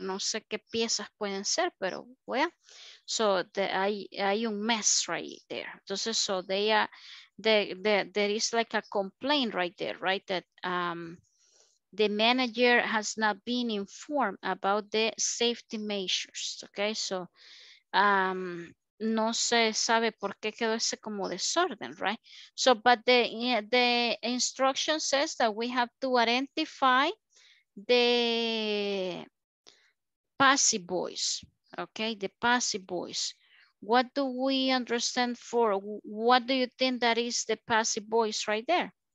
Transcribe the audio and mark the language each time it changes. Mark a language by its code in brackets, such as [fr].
[es] No sé qué piezas pueden ser, pero bueno. [en] Well, so [es] hay un [en] mess right there. Entonces, so they are, there is like a complaint right there, right? That the manager has not been informed about the safety measures, okay? [es] So no se sabe por qué quedó ese como desorden, right? [en] So, but the instruction says that we have to identify the passyboys, okay? The passyboys. What do we understand for, what do you think that is the passyboys right there?